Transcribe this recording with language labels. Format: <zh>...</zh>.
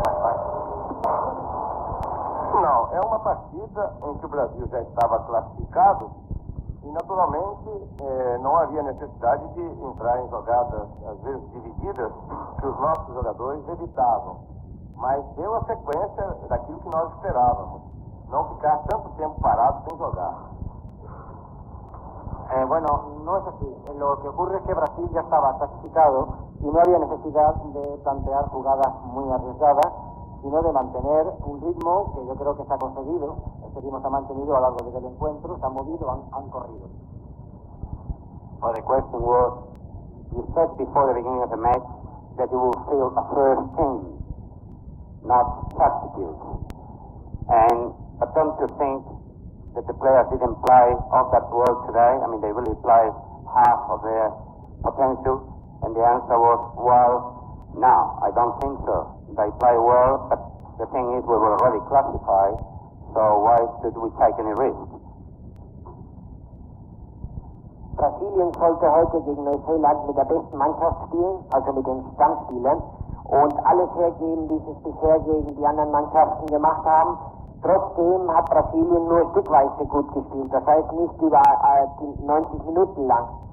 <pt>Não, é uma partida em que o Brasil já estava classificado e, naturalmente, não havia necessidade de entrar em jogadas, às vezes divididas, que os nossos jogadores evitavam. Mas deu a sequência daquilo que nós esperávamos, não ficar tanto tempo parado sem jogar.</pt> <es>Bueno, no es así. Lo que ocurre es que Brasil ya estaba clasificado y no había necesidad de plantear jugadas muy arriesgadas, sino de mantener un ritmo que yo creo que se ha conseguido. Este ritmo se ha mantenido a lo largo del encuentro, se ha movido, han corrido.</es> <en>Well, the question was, you said before the beginning of the match that you will feel a first team, not substitute. And don't you think that the players didn't play all that well today? I mean, they really played half of their potential. And the answer was, well, no, I don't think so. They play well, but the thing is, we were already classified, so why should we take any risk?</en> <de>Brasilien sollte heute gegen Neuseeland mit der besten Mannschaft spielen, also mit den Stammspielern, und alles hergeben, wie sie es bisher gegen die anderen Mannschaften gemacht haben. Trotzdem hat Brasilien nur stückweise gut gespielt, das heißt nicht über 90 Minuten lang.</de>